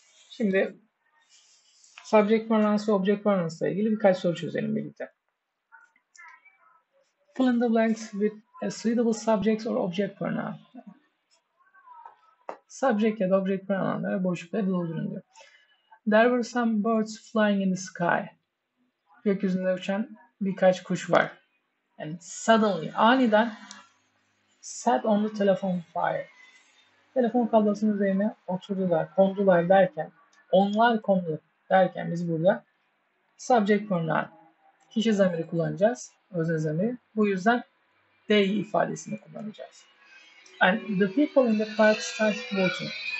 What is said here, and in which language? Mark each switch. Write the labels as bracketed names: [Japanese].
[Turkish] Şimdi subject pronouns ve object pronouns ile ilgili birkaç soru çözelim birlikte. [English] Fill in the blanks with suitable subjects or object pronoun. [Turkish] Subject ya da object pronounları boşlukları doldurun diyor. [English] There were some birds flying in the sky. [Turkish] Gökyüzünde uçan birkaç kuş var. [English] And suddenly, [Turkish] aniden [English] sat on the telephone fire. [Turkish] Telefon kablosunun üzerine oturdular, kondular derken, onlar kondu derken biz burada subject pronoun, kişi zamiri kullanacağız, özne zamiri. Bu yüzden they ifadesini kullanacağız. [English] And the people in the park started watching.